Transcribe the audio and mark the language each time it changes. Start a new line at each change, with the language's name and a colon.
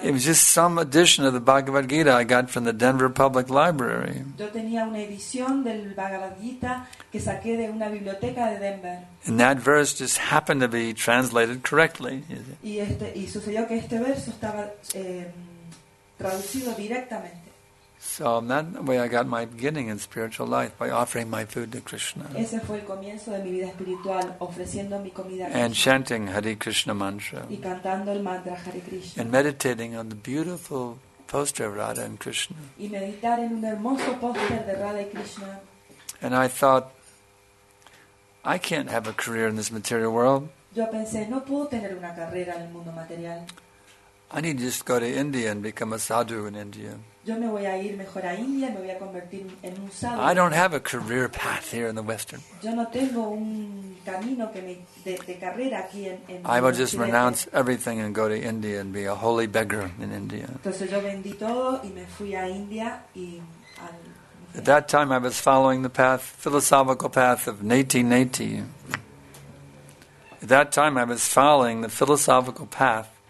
English: It was just some edition of the Bhagavad Gita I got from the Denver Public Library.
Spanish: Yo tenía una edición del Bhagavad Gita que saqué de una biblioteca de Denver.
English: And that verse just happened to be translated correctly.
Spanish: Y sucedió que este verso estaba traducido directamente.
English: So that way I got my beginning in spiritual life by offering my food to Krishna.
Spanish: Ese fue el comienzo de mi vida espiritual, ofreciendo mi comida a Krishna.
English: And chanting Hare Krishna mantra.
Spanish: Y cantando el mantra Hare Krishna.
English: And meditating on the beautiful poster of Radha and Krishna.
Spanish: Y meditar en un hermoso póster de Radha y Krishna.
English: And I thought, I can't have a career in this material world.
Spanish: Yo pensé, no puedo tener una carrera en el mundo material.
English: I need to just go to India and become a sadhu in India.
Spanish: Yo me voy a ir mejor a India, me voy a convertir en un sadhu.
English: I don't have a career path here in the Western world.
Spanish: Yo no tengo un camino que me de carrera aquí en
English: I will just renounce everything and go to India and be a holy beggar in India.
Spanish: Entonces yo vendí todo y me fui a India y al.
English: At that time, I was following the path, philosophical path of Neti-Neti. At that time, I was following the philosophical path.